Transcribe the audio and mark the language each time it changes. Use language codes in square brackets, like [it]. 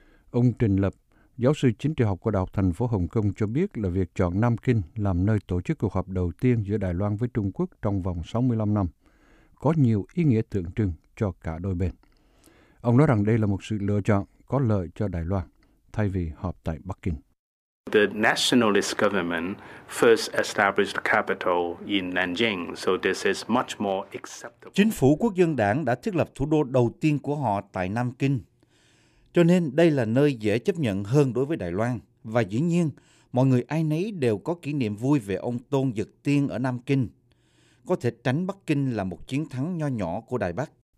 [vi] Ông Trình Lập, giáo sư chính trị học của Đại học thành phố Hồng Kông cho biết là việc chọn Nam Kinh làm nơi tổ chức cuộc họp đầu tiên giữa Đài Loan với Trung Quốc trong vòng 65 năm có nhiều ý nghĩa tượng trưng cho cả đôi bên. Ông nói rằng đây là một sự lựa chọn có lợi cho Đài Loan thay vì họp tại Bắc Kinh. [en] The nationalist government first established the capital in Nanjing, so this is much more acceptable. [vi] Chính phủ Quốc dân đảng đã thiết lập thủ đô đầu tiên của họ tại Nam Kinh. Cho nên đây là nơi dễ chấp nhận hơn đối với Đài Loan. Và dĩ nhiên, mọi người ai nấy đều có kỷ niệm vui về ông Tôn Dật Tiên ở Nam Kinh. Có thể tránh Bắc Kinh là một chiến thắng nho nhỏ của Đài Bắc.